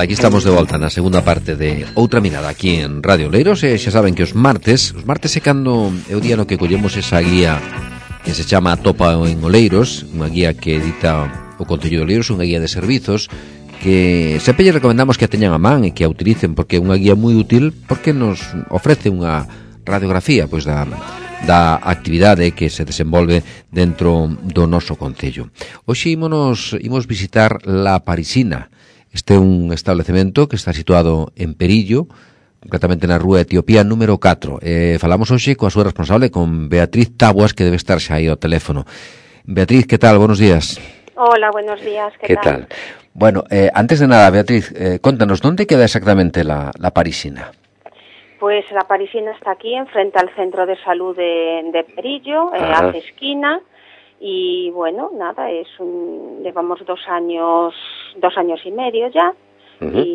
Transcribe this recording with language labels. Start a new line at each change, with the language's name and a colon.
Spanish: Aquí estamos de vuelta en la segunda parte de Outra Mirada aquí en Radio Leiros.
Galician: Ya saben que os martes é cando é o día no que collemos esa guía que se chama Topa en Oleiros, unha guía que edita o Concello de Oleiros, unha guía de servizos que sempre lle recomendamos que a teñan a man e que a utilicen, porque é unha guía moi útil, porque nos ofrece unha radiografía pois da actividade que se desenvolve dentro do noso concello. Hoxe imos visitar La Parisina. Este é un establecemento que está situado en Perillo, concretamente na rúa Etiopía número 4. Falamos hoxe coa súa responsable, con Beatriz Taguas, que debe estar xa aí ao teléfono. Beatriz, que tal?
Spanish: Buenos días. Hola, buenos días. ¿Qué tal? Bueno, antes de nada, Beatriz, contanos, ¿dónde queda exactamente la Parisina? Pues La Parisina está aquí, enfrente al centro de salud de Perillo, hace esquina. Y bueno, nada, llevamos dos años y medio ya, uh-huh.